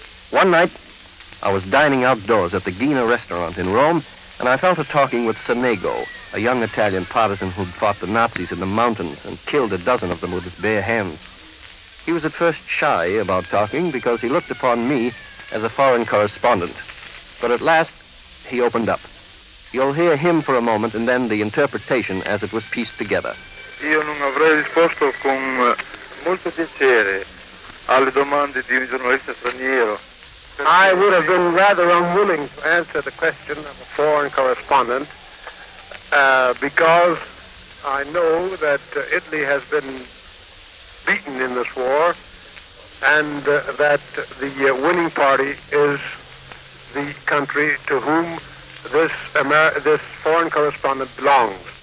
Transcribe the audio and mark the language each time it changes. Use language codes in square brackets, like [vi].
[en] One night, I was dining outdoors at the Gina restaurant in Rome, and I fell to talking with Sonego, a young Italian partisan who'd fought the Nazis in the mountains and killed a dozen of them with his bare hands. He was at first shy about talking because he looked upon me as a foreign correspondent. But at last, he opened up. You'll hear him for a moment and then the interpretation as it was pieced together. [it] Io non avrei risposto con molto piacere alle domande di un giornalista straniero. [en] I would have been rather unwilling to answer the question of a foreign correspondent because I know that Italy has been beaten in this war and that the winning party is the country to whom this foreign correspondent belongs.